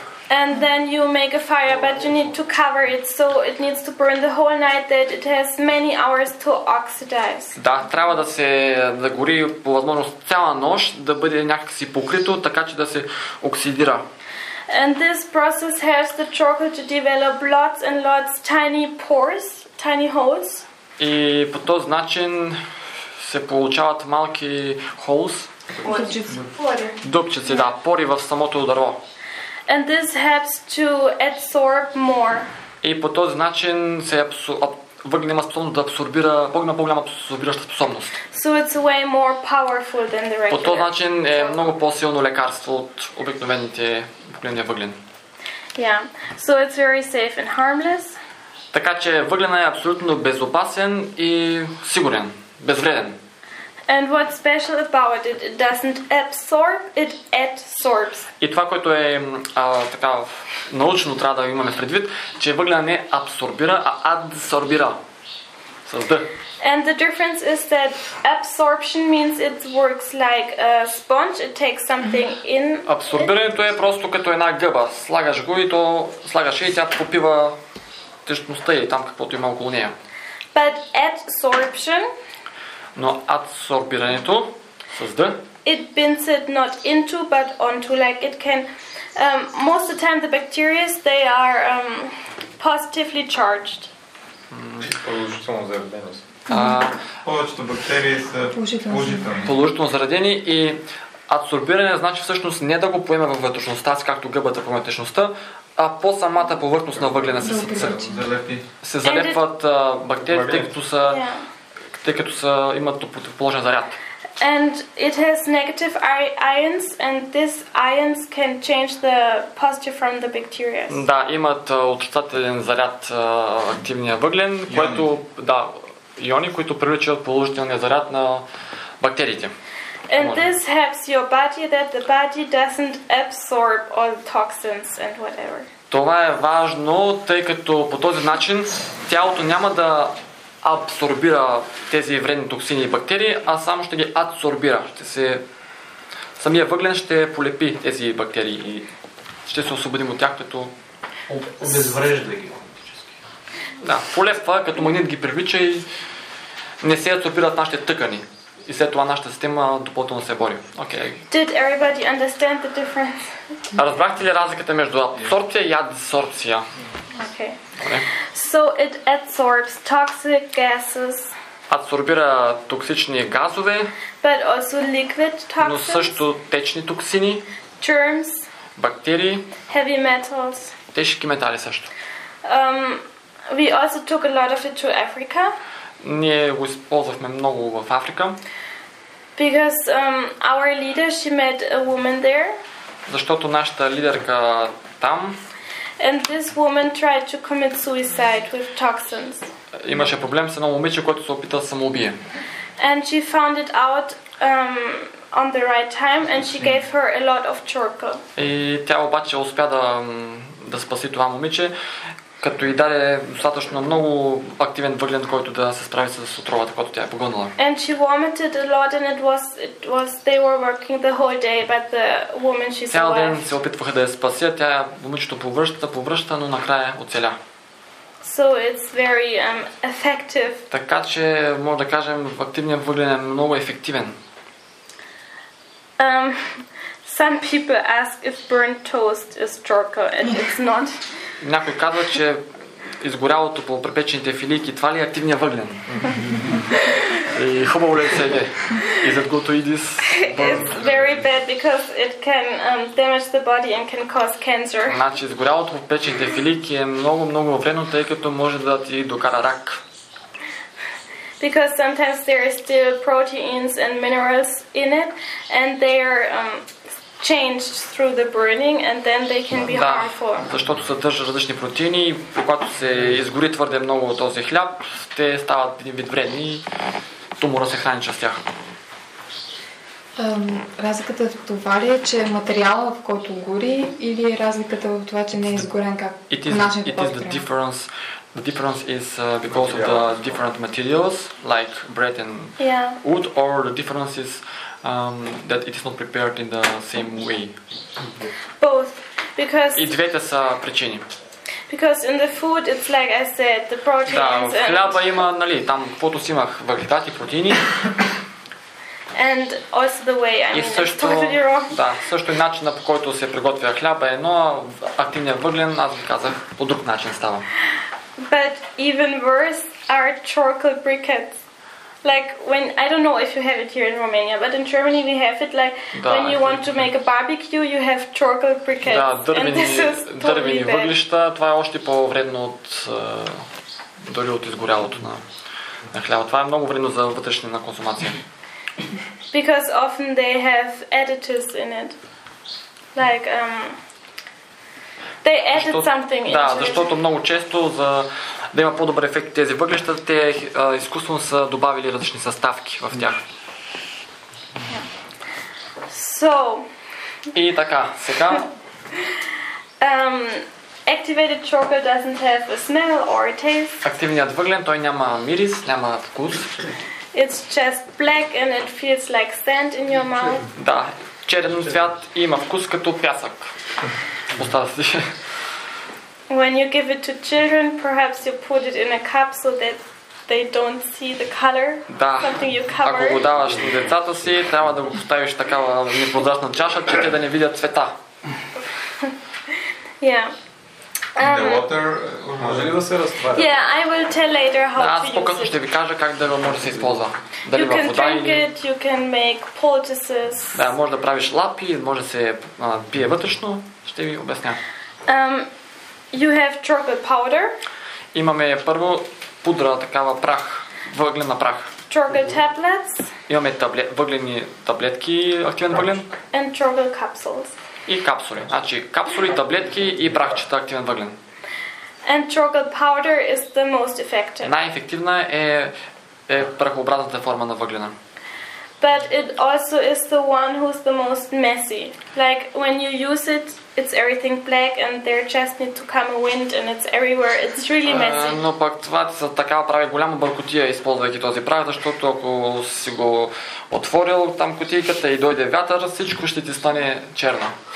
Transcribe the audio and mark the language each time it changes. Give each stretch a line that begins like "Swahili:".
English: And then you make a fire, but you need to cover it, so it needs to burn the whole night, that it has many hours to oxidize.
Bulgarian: Да, трябва да се гори по възможност цяла нощ, да бъде някакси покрито, така че да се оксидира.
English: And this process helps the charcoal to develop lots and lots tiny pores, tiny holes.
Bulgarian: И по този начин се получават малки holes. Дупчици, да, пори в самото дърво.
English: And this helps to absorb more.
Bulgarian: И по този начин се въгне има способност да абсорбира по-голяма абсорбираща способност.
English: So it's way more powerful than the regular.
Bulgarian: По този начин е много по-силно лекарство от обикновените въглени въглен.
English: Yeah. So it's very safe and harmless.
Bulgarian: Така че въгленът е абсолютно безопасен и сигурен, безвреден.
English: And what's special about it? It doesn't absorb, it adsorbs.
Bulgarian: И това, което е така научно трябва да имаме предвид, че въглена не абсорбира, а адсорбира. С Д.
English: And the difference is that absorption means it works like a sponge, it takes something in.
Bulgarian: Абсорбирането е просто като една гъба. Слагаш го и то слагаш и тя попива течността или там каквото има около нея.
English: But adsorption.
Bulgarian: Но адсорбирането с Д.
English: It binds it not into but onto, like it can. Most of the time the bacteria they are positively charged.
Bulgarian: Положително заредени. Повечето бактерии са положителни. Положително заредени и адсорбиране значи всъщност не да го поеме във вътрешността, както гъбата поема течността, а по самата повърхност на въглена се залепват бактериите, които са. Тъй като са имат положен заряд.
English: And it has negative ions and these ions can change the positive from the bacteria.
Bulgarian: Да, имат отрицателен заряд активния въглен, който да иони, които привличат положителния заряд на бактериите.
English: And this helps your body that the body doesn't absorb all toxins and whatever.
Bulgarian: Това е важно, тъй като по този начин тялото няма да абсорбира тези вредни токсини и бактерии, а само ще ги адсорбира. Самия въглен ще полепи тези бактерии и ще се освободим от тях, като обезврежда ги. Да, полепва, като магнит ги привлича и не се адсорбират нашите тъкани. И след това нашата система допълнително се бори.
English: Okay. Did everybody understand the difference?
Bulgarian: Разбрахте ли разликата между абсорбция и адсорбция?
English: Okay. So it absorbs toxic gases.
Bulgarian: Адсорбира токсични газове.
English: But also liquid toxins.
Bulgarian: Но също течни токсини.
English: Germs.
Bulgarian: Бактерии.
English: Heavy metals.
Bulgarian: Тежки метали също.
English: We also took a lot of it to Africa.
Bulgarian: Ние го използвахме много в Африка.
English: Because our leader, she met a woman there.
Bulgarian: Защото нашата лидерка там.
English: And this woman tried to commit suicide with toxins.
Bulgarian: Имаше проблем с едно момиче, което се опита да самоубие.
English: And she found it out on the right time and she gave her a lot of charcoal.
Bulgarian: И тя обаче успя да спаси това момиче, като и даде достатъчно много активен въглен, който да се справи с отровата, която тя е погълнала.
English: And she vomited a lot and it was they were working the whole day, but the woman she survived.
Bulgarian: Цял ден се опитваха да я спасят, тя момичето повръща, но накрая оцеля.
English: So it's very effective.
Bulgarian: Така че може да кажем, активният въглен е много ефективен.
English: Some people ask if burnt toast is charcoal and it's not.
Bulgarian: Някой казва, че изгорялото по препечените филийки, това ли е активния въглен? И хубаво ли се е?
English: Is it botulism? It's very bad because it can damage the body and can cause cancer.
Bulgarian: Значи изгорялото в печените филийки е много много вредно, тъй като може да ти докара рак.
English: Because sometimes there is still proteins and minerals in it and they are changed through the burning and then they can be harmful.
Bulgarian: Да, защото съдържа различни протеини и когато се изгори твърде много този хляб, те стават един вид вредни и тумора се храни чрез тях. Разликата в това ли е, че материала, в който гори, или е разликата в това, че не е изгорен как нашето по-прем?
English: The difference is because of the different materials, like bread and wood, or the difference is that it is not prepared in the same way. Both, because.
Bulgarian: И двете са причини.
English: Because in the food it's like I said, the proteins and.
Bulgarian: Да, в хляба има, нали, там каквото си имах, въглехидрати, протеини.
English: And also the way, I mean,
Bulgarian: също,
English: it's totally wrong.
Bulgarian: Да, също и начина по който се приготвя хляба е едно, активният въглен, аз ви казах, по друг начин става.
English: But even worse are charcoal briquettes. Like when I don't know if you have it here in Romania, but in Germany we have it. Like
Bulgarian: да,
English: when you want to make a barbecue, you have charcoal briquettes.
Bulgarian: Да, дървени,
English: and this is totally
Bulgarian: въглища, това е още по-вредно от дори от изгорялото на, на хляба. Това е много вредно за вътрешния на консумация.
English: Because often they have additives in it. Like they added
Bulgarian: защото,
English: something
Bulgarian: да, защото много често за да има по-добър ефект тези въглища, те изкуствено са добавили различни съставки в тях.
English: So,
Bulgarian: и така, сега.
English: Activated charcoal doesn't have a smell or a taste.
Bulgarian: Активният въглен, той няма мирис, няма вкус.
English: It's just black and it feels like sand in your mouth.
Bulgarian: Да, черен цвят и има вкус като пясък.
English: When you give it to children, perhaps you put it in a cup so that they don't see the color.
Bulgarian: Да.
English: Something you cover.
Bulgarian: Ако го даваш на децата си, трябва да го поставиш такава непрозрачна чаша, че те да не видят цвета.
English: Yeah. The water
Bulgarian: може ли да се разтваря?
English: Yeah, I will tell later how
Bulgarian: да,
English: to use it.
Bulgarian: Аз по-късно ще ви кажа как да го може да се използва. Дали
English: you can
Bulgarian: вода
English: drink
Bulgarian: или...
English: it, you can make poultices.
Bulgarian: Да, може да правиш лапи, може да се пие вътрешно. Ще ви обясня.
English: You have chocolate powder.
Bulgarian: Имаме първо пудра, такава прах, въглена прах.
English: Chocolate tablets.
Bulgarian: Имаме въглени таблетки, активен въглен.
English: And chocolate capsules.
Bulgarian: И капсули. Значи капсули, таблетки и прахчета активен въглен.
English: And chocolate powder is the most effective.
Bulgarian: Най-ефективна е, е прахообразната форма на въглена.
English: But it also is the one who's the most messy. Like when you use it, it's everything black and there just need to come a wind and it's everywhere. It's really messy.
Bulgarian: Но пък това са така прави голяма бъркотия, използвайки този прах, защото ако си го отворил там кутийката и дойде вятър, всичко ще ти стане черно.